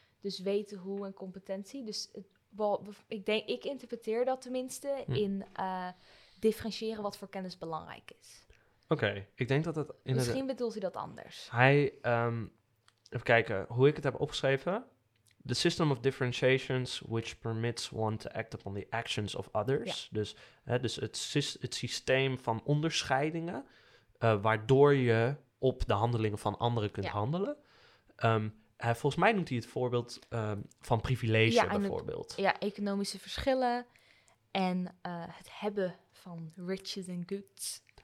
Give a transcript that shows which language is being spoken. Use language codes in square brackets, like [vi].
[nl] Dus weten hoe en competentie. Dus ik interpreteer dat tenminste in differentiëren wat voor kennis belangrijk is. Oké, ik denk dat het... Misschien bedoelt hij dat anders. Even kijken, hoe ik het heb opgeschreven. [en] The system of differentiations which permits one to act upon the actions of others. [nl] Ja. Dus het systeem van onderscheidingen. Waardoor je op de handelingen van anderen kunt handelen. Volgens mij noemt hij het voorbeeld van privilege bijvoorbeeld. Economische verschillen en het hebben van [en] riches and goods.